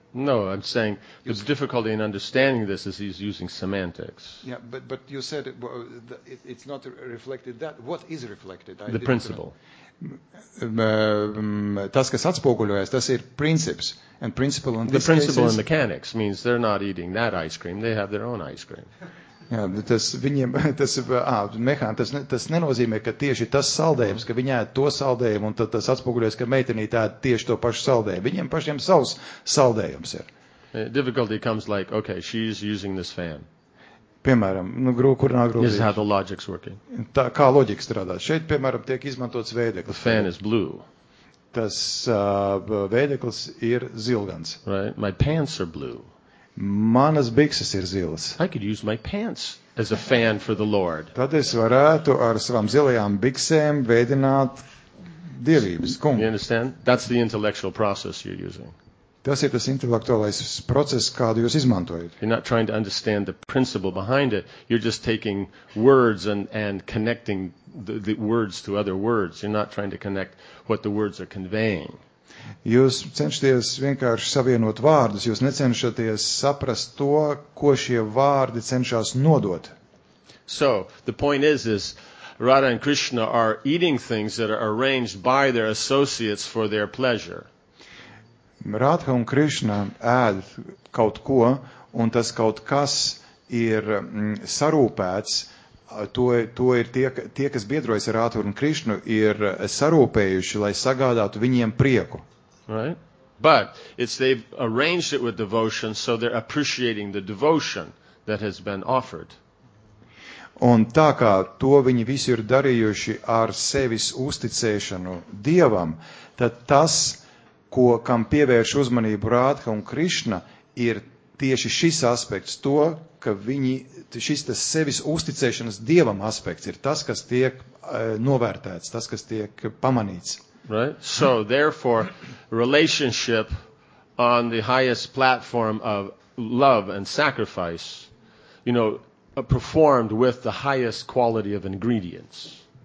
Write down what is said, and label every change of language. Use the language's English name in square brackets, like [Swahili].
[English] No, I'm saying the difficulty in understanding this is he's using semantics. Yeah, but you said it's not reflected that. What is reflected? The principle. [Latvian] Tas, kas atspoguļojas, tas ir princips. [English] And principle in the principle in mechanics means they're not eating that ice cream, they have their own ice cream. [Latvian] Tas nenozīmē, ka tieši tas saldējums, ka viņi ēd to saldējumu, un tad tas atspoguļojas, ka meitenītē ēd tieši to pašu saldējumu. Viņiem pašiem savs saldējums ir. [English] Difficulty comes like, okay, she's using this fan. [Latvian] Piemēram, kur nav grūti. [English] This is how the logic's working. [Latvian] Tā, kā loģika strādā. Šeit, piemēram, tiek izmantots vēdeklis. [English] The fan is blue. [Latvian] Tas vēdeklis ir zilgans. [English] Right? My pants are blue. [Latvian] Manas bikses ir zilas. [English] I could use my pants as a fan for the Lord. [Latvian] Tad es varētu ar savām zilajām biksēm vēdināt dievības kungu. [English] You understand? That's the intellectual process you're using. [Latvian] Tas ir tas intelektuālais process, kādu jūs izmantojat. [English] You're not trying to understand the principle behind it. You're just taking words and connecting the words to other words. You're not trying to connect what the words are conveying. [Latvian] Jūs cenšaties vienkārši savienot vārdus, jūs necenšaties saprast to, ko šie vārdi cenšas nodot. [English] So, the point is Radha and Krishna are eating things that are arranged by their associates for their pleasure. [Latvian] Radha un Krishna ēd kaut ko, un tas kaut kas ir sarūpēts. To ir tie, kas biedrojas ar Rādhu un Krišnu, ir sarūpējuši, lai sagādātu viņiem prieku. [English] Right? But it's they've arranged it with devotion, so they're appreciating the devotion that has been offered. [Latvian] Un tā kā to viņi visi ir darījuši ar sevis uzticēšanu Dievam, tad tas, ko kam pievērš uzmanību Rādhu un Krišna, ir tieši šis aspekts to, ka viņi, šis tas sevis uzticēšanas Dievam aspekts ir tas, kas tiek novērtēts, tas, kas tiek pamanīts. [English] Right? So, therefore, relationship on the highest platform of love and sacrifice, you know, performed with the highest quality of ingredients.